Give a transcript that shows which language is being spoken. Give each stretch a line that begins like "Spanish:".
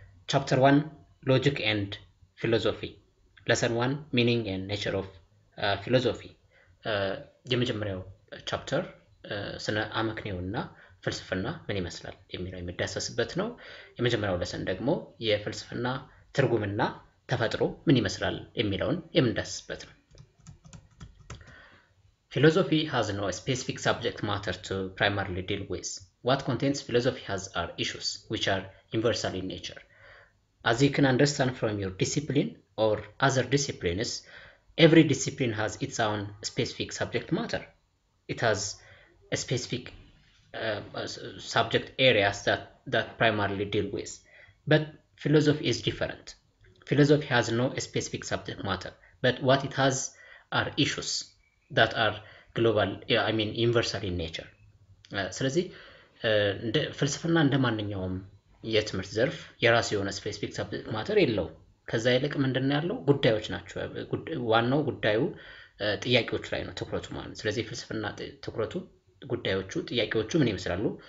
Amharic: ቻፕተር 1 ሎጂክ ኤንድ ፊሎሶፊ ለሰን 1 ሚኒንግ ኤንድ ኔቸር ኦፍ ፊሎሶፊ የመጀመሪያው ቻፕተር ስነ አመክንዮና ፍልስፍና ምን ይመስላል የሚለው የሚዳሰስበት ነው። የመጀመሪያው ለሰን ደግሞ የፍልስፍና ትርጉምና ተፈጥሮ ምን ይመስላል የሚለውን የምንዳስስበት ነው።
English: Philosophy has no specific subject matter to primarily deal with. What contains philosophy has are issues which are universal in nature. As you can understand from your discipline or other disciplines, every discipline has its own specific subject matter. It has a specific subject areas that primarily deal with. But philosophy is different. Philosophy has no specific subject matter, but what it has are issues that are global, universal in nature.
Amharic: ስለዚህ ፍልስፍና እንደማንኛውም የትምህርት ዘርፍ የራሱ የሆነ ስፔሲፊክ ሰብጀክት ማተር የለው። ከዛ ይልቅ ምንድነው ያለው? ጉዳዮች ናቸው። ዋናው ጉዳዩ ጥያቄዎች ላይ ነው ትኩረቱ ማለት። ስለዚህ ፍልስፍና ትኩረቱ ጉዳዮቹ ጥያቄዎቹ ምን ይመስላሉ?